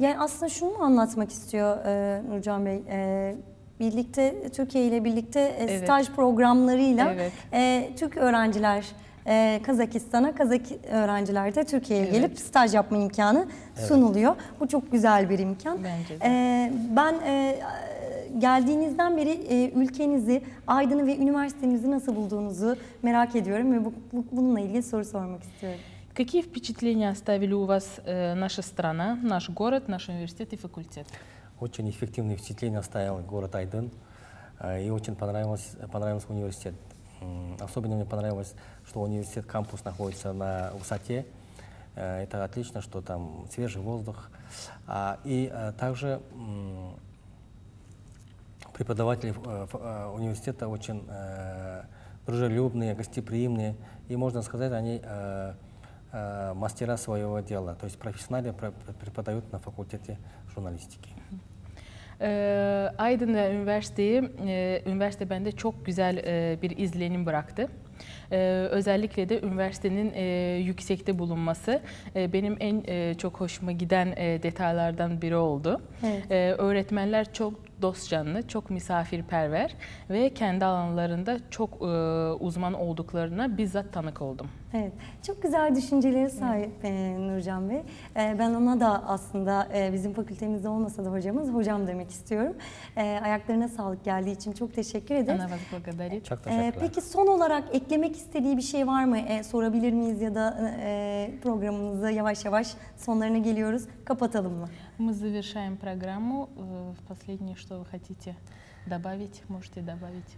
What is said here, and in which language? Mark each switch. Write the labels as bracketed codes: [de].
[tr] Yani aslında şunu mu anlatmak istiyor Nurcan Bey? Birlikte Türkiye ile birlikte staj programlarıyla Türk öğrenciler Kazakistan'a, Kazak öğrenciler de Türkiye'ye gelip staj yapma imkanı sunuluyor. Bu çok güzel bir imkan. Bence de. Geldiğinizden beri ülkenizi, Aydın'ı ve üniversitenizi nasıl bulduğunuzu merak ediyorum ve bununla ilgili soru sormak istiyorum. [ru] Какие впечатления оставили у вас наша страна, наш город, наш университет и факультет? Очень эффективные впечатления оставил город Айдын. И очень понравился университет. Особенно мне понравилось, что университет, кампус находится на высоте. Это отлично, что там свежий воздух. И также преподаватели университета очень дружелюбные, гостеприимные. И можно сказать, они мастера своего дела. То есть профессионально преподают на факультете журналистики. [tr] Aydın'da üniversite bende çok güzel bir izlenim bıraktı. Özellikle de üniversitenin yüksekte bulunması benim en çok hoşuma giden detaylardan biri oldu. Evet. Öğretmenler çok dost canlı, çok misafirperver ve kendi alanlarında çok uzman olduklarına bizzat tanık oldum. Evet, çok güzel düşüncelere sahip Nurcan Bey. Ben ona da aslında bizim fakültemizde olmasa da hocam demek istiyorum. Ayaklarına sağlık geldiği için çok teşekkür ederim. Anavaz bu kadar. Çok teşekkürler. Peki son olarak eklemek istediği bir şey var mı? Sorabilir miyiz ya da programımızı yavaş yavaş sonlarına geliyoruz. Kapatalım mı? [ru] Мы завершаем программу. Последнее, что вы хотите добавить, можете добавить.